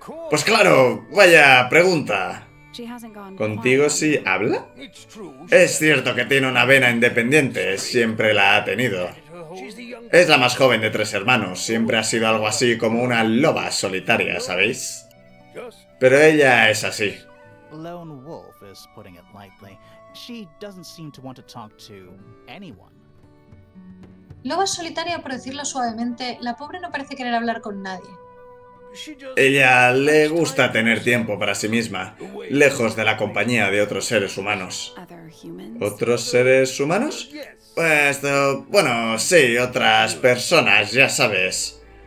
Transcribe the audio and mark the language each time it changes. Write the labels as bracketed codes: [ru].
[es] Pues claro, vaya pregunta. ¿Contigo sí habla? Es cierto que tiene una vena independiente, siempre la ha tenido. Es la más joven de tres hermanos, siempre ha sido algo así como una loba solitaria, ¿sabéis? Pero ella es así. [en] Lone Wolf is putting it lightly. She doesn't seem to want to talk to anyone. [es] Loba solitaria, por decirlo suavemente, la pobre no parece querer hablar con nadie. Ella le gusta tener tiempo para sí misma, lejos de la compañía de otros seres humanos. ¿Otros seres humanos? Pues, bueno, sí, otras personas, ya sabes.